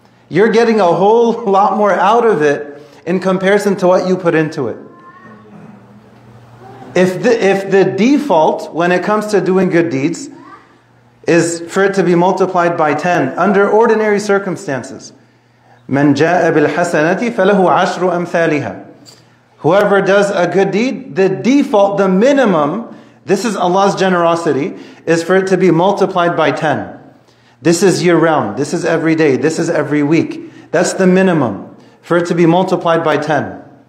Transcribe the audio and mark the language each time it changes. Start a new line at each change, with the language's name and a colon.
English: You're getting a whole lot more out of it in comparison to what you put into it. If the default when it comes to doing good deeds is for it to be multiplied by 10 under ordinary circumstances,
Arabic: من جاء بالحسنة فله عشر أمثالها.
English: Whoever does a good deed, the default, the minimum, this is Allah's generosity, is for it to be multiplied by 10. This is year round. This is every day. This is every week. That's the minimum for it to be multiplied by 10.